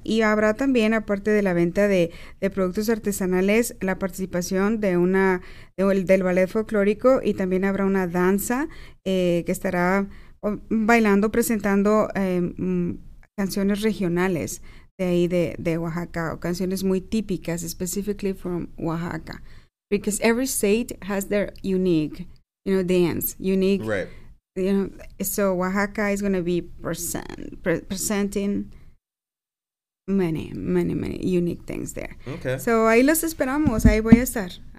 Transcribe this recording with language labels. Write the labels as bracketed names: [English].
[Spanish] Y habrá también, aparte de la venta de productos artesanales, la participación del ballet folclórico y también habrá una danza que estará bailando, presentando canciones regionales de ahí de Oaxaca, o canciones muy típicas, [English] specifically from Oaxaca. Because every state has their unique, you know, dance, unique. Right. You know, so Oaxaca is going to be presenting many, many, many unique things there. Okay. [Spanish] So ahí los esperamos, ahí voy a estar.